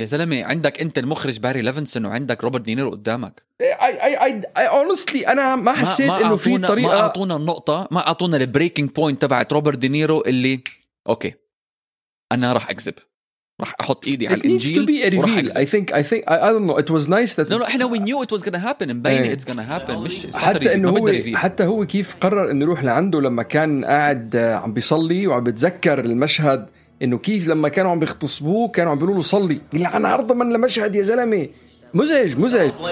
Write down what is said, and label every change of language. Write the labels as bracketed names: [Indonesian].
[Arabic] يا زلمة، عندك انت المخرج باري ليفنسون وعندك روبرت دينيرو قدامك. [English] I honestly [Arabic] انا ما حسيت انه في طريقة، ما اعطونا النقطة، ما اعطونا البريكنج بوينت تبعت روبرت دينيرو اللي اوكي انا راح اكذب، راح احط ايدي على الانجيل وراح اكذب. [English] I think I don't know it was nice that no, [Arabic] احنا [English] we knew it was gonna happen، [Arabic] مبين [English] it's gonna happen. [Arabic] مش حتى انه هو حتى هو كيف قرر انه يروح لعنده لما كان قاعد عم بيصلي وعم بتذكر المشهد، انه كيف لما كانوا عم بيغتصبوه كانوا عم بيقولوا له صلي، قال انا عرضه من لمشهد يا زلمه، مزعج مزعج.